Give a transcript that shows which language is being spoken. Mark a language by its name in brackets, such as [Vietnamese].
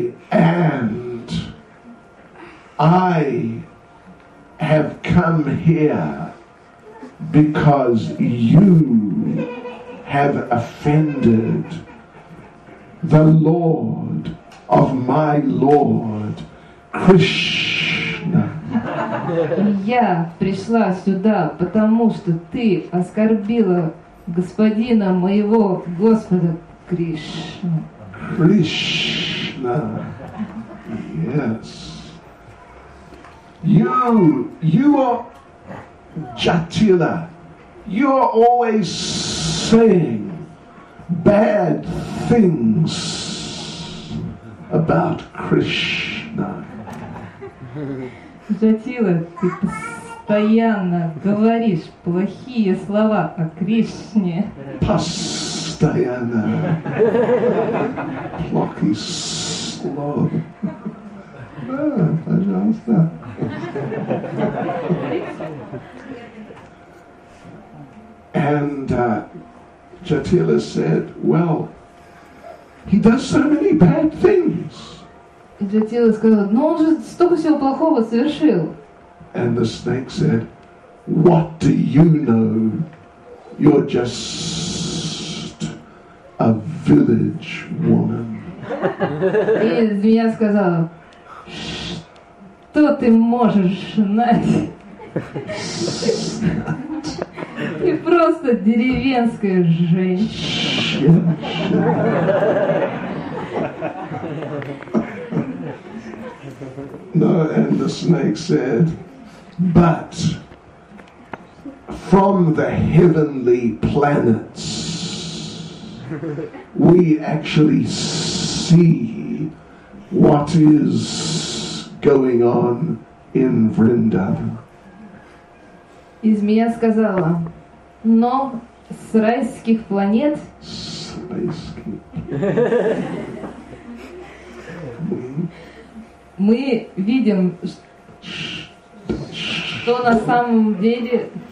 [English] And I have come here because you have offended the Lord of my Lord Кришна. [Russian] Я пришла сюда, потому что ты оскорбила господина моего Господа Кришна. Кришна. Yes. [English] You are Jatila. You are always saying bad things about Кришна. [Russian] Jatila, ты постоянно говоришь плохие слова о Кришне. Постоянно. Плохие слова. Пожалуйста. [English] And Jatila said, well, he does so many bad things. [Russian] Jatila сказала: но он же столько всего плохого совершил. [English] And the snake said, what do you know? You're just a village woman. [Russian] И змея сказала: что ты можешь знать? Ты просто деревенская женщина. [English] No, and the snake said, but from the heavenly planets, we actually see what is going on in Vrindavan. [Russian] И змея сказала: но с райских планет... С райских планет. Мы видим, что на самом деле...